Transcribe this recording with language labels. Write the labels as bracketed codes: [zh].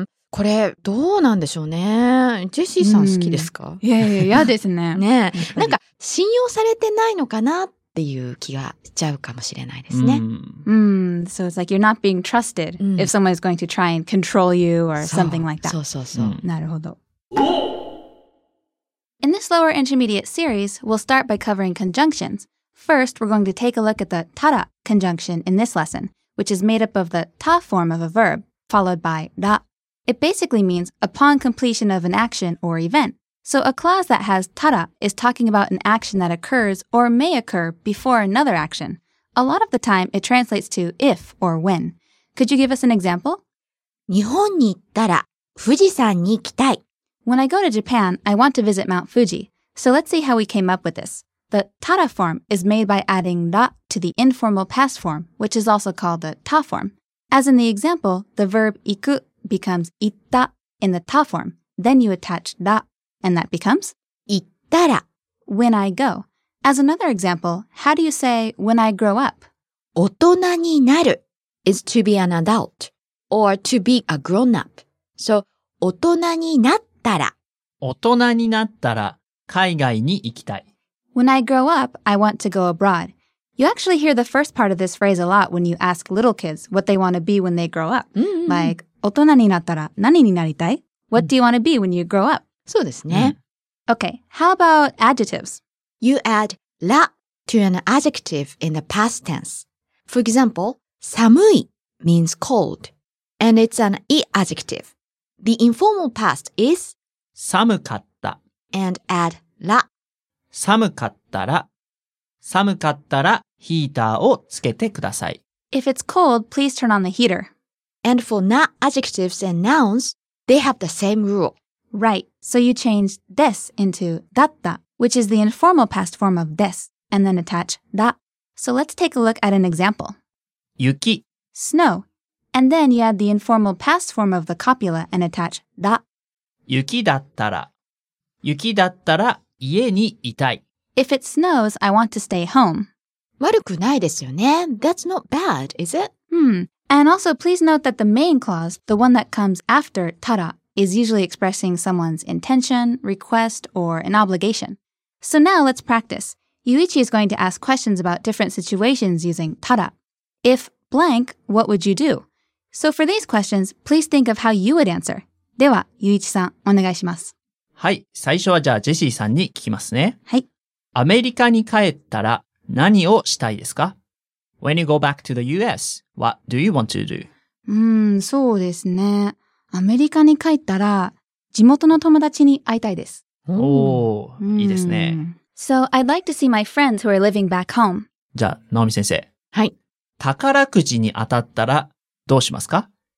[ja] これどうなんでしょうね。ジェシーさん好きですか？いやいや、嫌ですね。ねえ、なんか信用されてないのかなっていう気がしちゃうかもしれないですね。 [en] So it's like you're not being trusted if someone is going to try and control you or something like that. [ja] そうそうそう。なるほど。 [en] In this lower intermediate series, we'll start by covering conjunctions. First, we're going to take a look at the tara conjunction in this lesson, which is made up of the ta form of a verb, followed by ra. It basically means upon completion of an action or event. So a clause that has tara is talking about an action that occurs or may occur before another action. A lot of the time, it translates to if or when. Could you give us an example? [ja] 日本に行ったら富士山に行きたい。 [en] When I go to Japan, I want to visit Mount Fuji. So let's see how we came up with this. The tara form is made by adding ra to the informal past form, which is also called the ta form. As in the example, the verb 行く becomes 行った in the ta form. Then you attach ra, and that becomes [ja] 行ったら [en] when I go. As another example, how do you say when I grow up? 大人になる is to be an adult or to be a grown up. [ja] So 大人になった大人になったら海外に行きたい。 [en] When I grow up, I want to go abroad. You actually hear the first part of this phrase a lot when you ask little kids what they want to be when they grow up. [ja] Like, 大人になったら何になりたい? [en] What do you want to be when you grow up? [ja] そうですね。 [en] Okay, how about adjectives? You add ら to an adjective in the past tense. For example, 寒い means cold, and it's an い adjective. The informal past is [ja] 寒かった [en] and add ら [ja] 寒かったら寒かったらヒーターをつけてください。 [en] If it's cold, please turn on the heater. And for な adjectives and nouns, they have the same rule. Right, so you change です into だった which is the informal past form of です and then attach だ. So let's take a look at an example. [ja] 雪 [en] snow. And then you add the informal past form of the copula and attach だ. [ja] 雪だったら、雪だったら家にいたい. [en] If it snows, I want to stay home. [ja] 悪くないですよね. [en] That's not bad, is it? And also please note that the main clause, the one that comes after tara, is usually expressing someone's intention, request, or an obligation. So now let's practice. Yuichi is going to ask questions about different situations using tara. If blank, what would you do? So for these questions, please think of how you would answer. [ja] では、ゆういちさん、お願いします。はい、最初はじゃあジェシーさんに聞きますね。はい。アメリカに帰ったら何をしたいですか? [en] When you go back to the US, what do you want to do? [ja] そうですね。アメリカに帰ったら地元の友達に会いたいです。おー、いいですね。 [en] So I'd like to see my friends who are living back home. [ja] じゃあ、ナオミ先生。はい。宝くじに当たったらどうしますか?